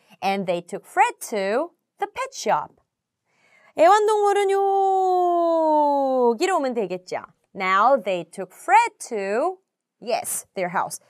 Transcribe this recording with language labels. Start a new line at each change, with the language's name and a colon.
English: And they took Fred to the pet shop.
Korean: 애완동물은 여기로 오면 되겠죠.
English: Now they took Fred to, yes, their house.